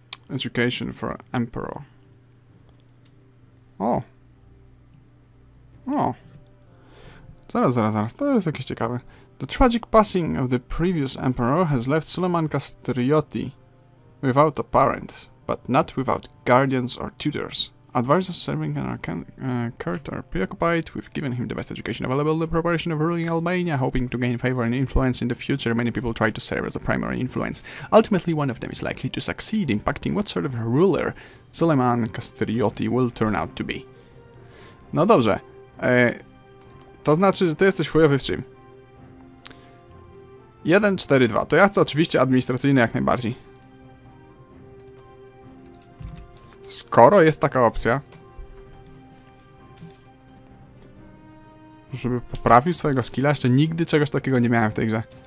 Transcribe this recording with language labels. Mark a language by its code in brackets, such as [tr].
[en] Education for Emperor. O. [pl] Zaraz, to jest jakieś ciekawe. [en] The tragic passing of the previous Emperor has left Suleiman Kastrioti without a parent, but not without guardians or tutors. Advisor serving in our character preoccupied. We've given him the best education available, the preparation of ruling Albania, hoping to gain favor and influence in the future. Many people try to serve as a primary influence. Ultimately, one of them is likely to succeed, impacting what sort of ruler Suleiman Kastrioti will turn out to be. [pl] No dobrze. To znaczy, że ty jesteś chujowy w czym? 1-4-2. To ja chcę oczywiście administracyjny jak najbardziej. Skoro jest taka opcja, żeby poprawił swojego skilla, jeszcze nigdy czegoś takiego nie miałem w tej grze.